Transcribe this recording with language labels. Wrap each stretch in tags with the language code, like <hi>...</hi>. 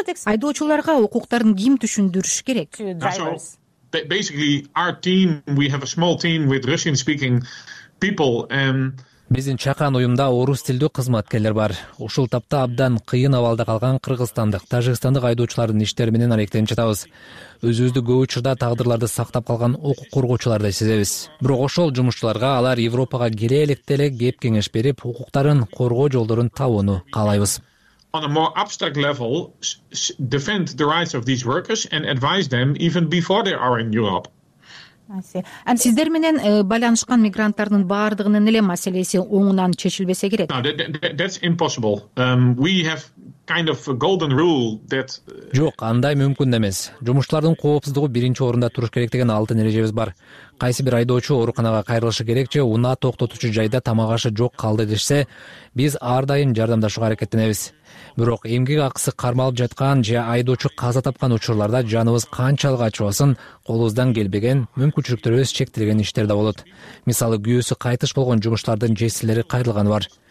<ky>Айдоочуларга укуктарын ким түшүндүрүш керек?</ky> <en>Basically our team, we have a small team with Russian speaking people and</en> <ky>биздин чакан уюмда орус тилдүү кызматкерлер бар. Ушул тапта абдан кыйын абалда калган кыргызстандык, тажикстандык айдоочулардын иштери менен алектенип жатабыз. Өзүбүздү көп учурда тагдырларды сактап калган укук коргоочуларды сезебиз. Бирок ошол жумушчуларга алар Европага келе электе эле кеп кеңеш берип, укуктарын коргоо жолдорун табууну каалайбыз.</ky> <en>On a more abstract level, defend the rights of these workers and advise them even before they are in Europe.</en> <ky>Сиздер менен байланышкан мигранттардын баардыгынын эле маселеси оңунан чечилбесе керек?</ky> <en>That's impossible. We have kind of a golden rule that</en> <ky>жок, андай мүмкүн эмес. Жумушчулардын коопсуздугу биринчи орунда туруш керек деген алтын эрежебиз бар. Кайсы бир айдоочу ооруканага кайрылышы керек же унаа токтотуучу жайда тамак ашы жок калды дешсе, биз ар дайым жардамдашууга аракеттенебиз. Бирок эмгек акысы кармалып жаткан же айдоочу каза тапкан учурларда жаныбыз канчалык ачыбасын, колубуздан келбеген мүмкүнчүлүктөрүбүз чектелген иштер да болот. Мисалы, күйөөсү кайтыш болгон жумушчулардын жесирлери кайрылганы бар.</ky>